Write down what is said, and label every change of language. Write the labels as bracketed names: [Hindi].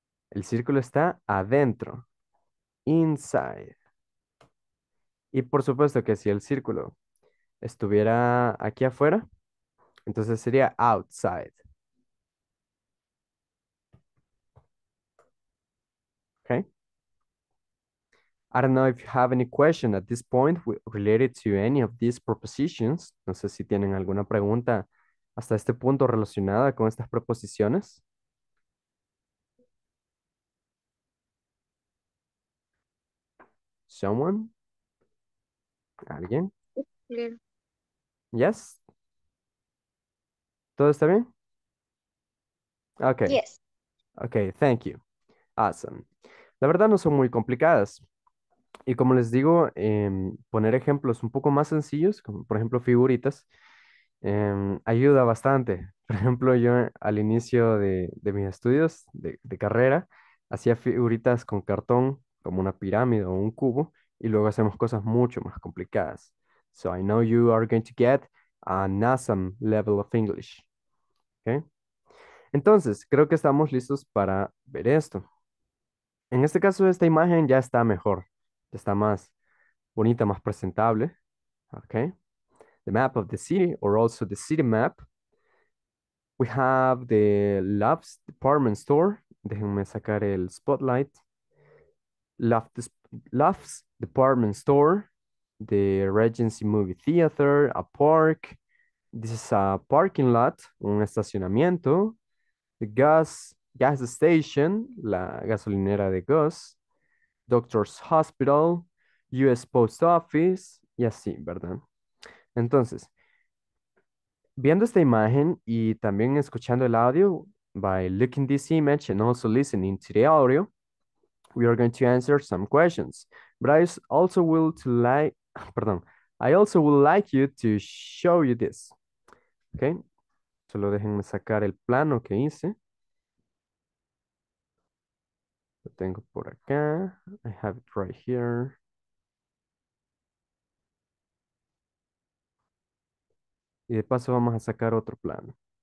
[Spanish] El círculo está adentro. [English] Inside. [Spanish] Y por supuesto que si el círculo estuviera aquí afuera, entonces sería outside. [English] Okay. I don't know if you have any question at this point related to any of these prepositions. [Spanish] No sé si tienen alguna pregunta hasta este punto relacionada con estas preposiciones. [English] Someone? [Spanish] Alguien? Bien. [English] Yes? [Spanish] ¿Todo está bien? Okay. [English] Yes. Okay, thank you. Awesome. [Spanish] La verdad no son muy complicadas. Y como les digo, poner ejemplos un poco más sencillos, como por ejemplo figuritas, ayuda bastante. Por ejemplo, yo al inicio de mis estudios de carrera, hacía figuritas con cartón, como una pirámide o un cubo, y luego hacemos cosas mucho más complicadas. [English] So I know you are going to get an awesome level of English. [Spanish] Okay? Entonces, creo que estamos listos para ver esto. En este caso, esta imagen ya está mejor. Ya está más bonita, más presentable. Okay. [English] The map of the city, or also the city map. We have the Love's department store. [Spanish] Déjenme sacar el spotlight. [English] Love's department store. The Regency Movie Theater, a park. This is a parking lot, [Spanish] un estacionamiento. [English] The gas station, [Spanish] la gasolinera de gas. [English] Doctor's Hospital, US Post Office, [Spanish] y así, ¿verdad? Entonces, viendo esta imagen y también escuchando el audio, [English] by looking this image and also listening to the audio, [Spanish] we are going to answer some questions. [English] But I also would like you to show you this. [Spanish] Okay, solo déjenme sacar el plano que hice. Lo tengo por acá. [English] I have it right here. [Spanish] Y de paso vamos a sacar otro plano.